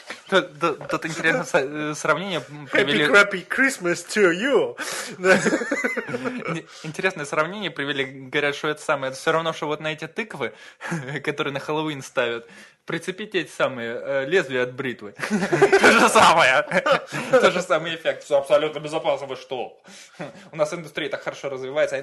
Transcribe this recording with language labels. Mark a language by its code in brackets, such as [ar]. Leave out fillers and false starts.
[ru] Тут интересное сравнение привели... [en] Happy crappy Christmas to you! [ru] Интересное сравнение привели, говорят, что это самое. Это все равно, что вот на эти тыквы, которые на Хэллоуин ставят, прицепить эти самые лезвия от бритвы. То же самое. То же самый эффект. Все абсолютно безопасно. Вы что? У нас индустрия так хорошо развивается.